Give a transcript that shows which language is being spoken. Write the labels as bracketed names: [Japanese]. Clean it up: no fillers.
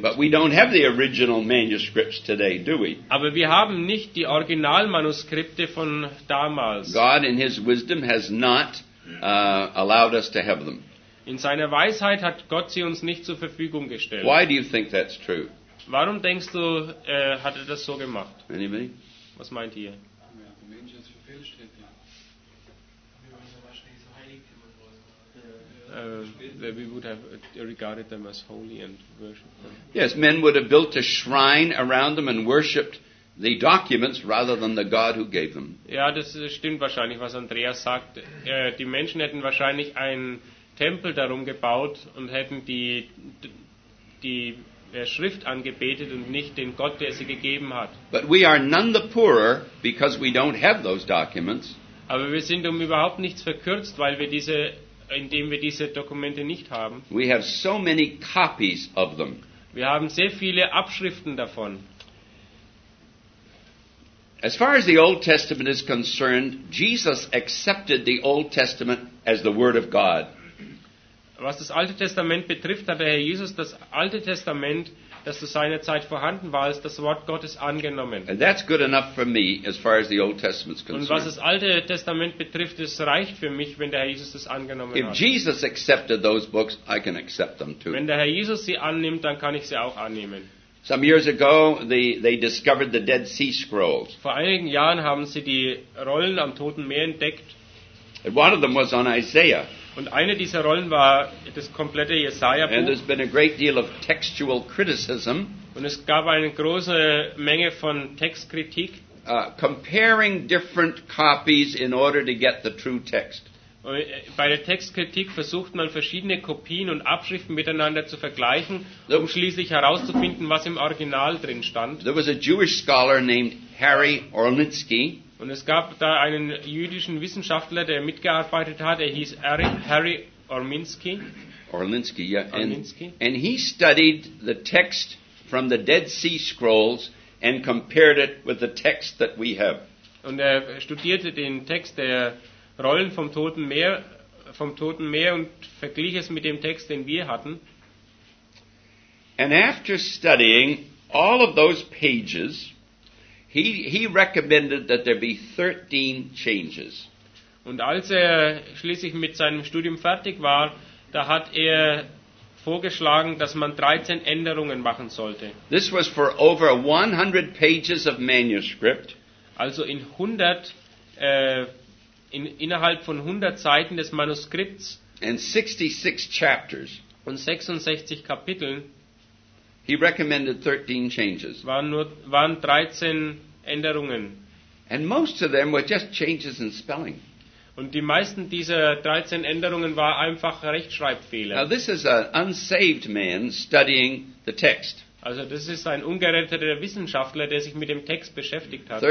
[English] But we don't have the original manuscripts today, do we? [German] Aber wir haben nicht die Originalmanuskripte von damals. [English] God in his wisdom has not allowed us to have them. [German] In seiner Weisheit hat Gott sie uns nicht zur Verfügung gestellt. [English] Why do you think that's true? [German] Warum denkst du, hat er das so gemacht? [English] Anybody? [German] Was meint ihr? [English] We would have regarded them as holy and worshipped them. Yes, men would have built a shrine around them and worshipped the documents rather than the God who gave them. [German] Ja, das stimmt wahrscheinlich, was Andreas sagt. Die Menschen hätten wahrscheinlich einen Tempel darum gebaut und hätten die Schrift angebetet und nicht den Gott, der sie gegeben hat. [English] But we are none the poorer because we don't have those documents. [German] Aber wir sind überhaupt nichts verkürzt, weil wir diese indem wir diese Dokumente nicht haben. [English] We have so many copies of them. [German] Wir haben sehr viele Abschriften davon. [English] As far as the Old Testament is concerned, Jesus accepted the Old Testament as the Word of God. [German] Was das Alte Testament betrifft, hat der Herr Jesus das Alte Testament, das zu seiner Zeit vorhanden war, als das Wort Gottes angenommen. [English] And that's good enough for me, as far as the Old Testament's concerned. [German] Und was das Alte Testament betrifft, es reicht für mich, wenn der Herr Jesus das angenommen [English] If [German] hat. [English] If Jesus accepted those books, I can accept them too. [German] Wenn der Herr Jesus sie annimmt, dann kann ich sie auch annehmen. [English] Some years ago, they discovered the Dead Sea Scrolls. [German] Vor einigen Jahren haben sie die Rollen am Toten Meer entdeckt. [English] And one of them was on Isaiah. [German] Und eine dieser Rollen war das komplette Jesaja-Buch. [English] And there's been a great deal of textual criticism. [German] Und es gab eine große Menge von Textkritik. [English] Comparing different copies in order to get the true text. [German] Und bei der Textkritik versucht man verschiedene Kopien und Abschriften miteinander zu vergleichen, um schließlich herauszufinden, was im Original drin stand. [English] There was a Jewish scholar named Harry Ornitzky. [German] Und es gab da einen jüdischen Wissenschaftler, der mitgearbeitet hat. Er hieß Harry Orminsky. Orminsky, ja. Orminsky. [English] And he studied the text from the Dead Sea Scrolls and compared it with the text that we have. [German] Und er studierte den Text der Rollen vom Toten Meer und verglich es mit dem Text, den wir hatten. [English] And after studying all of those pages. He recommended that there be 13 changes. [German] Und als er schließlich mit seinem Studium fertig war, da hat er vorgeschlagen, dass man 13 Änderungen machen sollte. [English] This was for over 100 pages of manuscript. [German] Also innerhalb von 100 Seiten des Manuskripts. [English] And 66 chapters. [German] Und 66 Kapiteln. [English] He recommended 13 changes. [German] Waren 13 Änderungen. [English] And most of them were just changes in spelling. [German] Und die meisten dieser 13 Änderungen waren einfach Rechtschreibfehler. [English] Now this is an unsaved man studying the text. [German] Also das ist ein ungeretteter Wissenschaftler, der sich mit dem Text beschäftigt hat.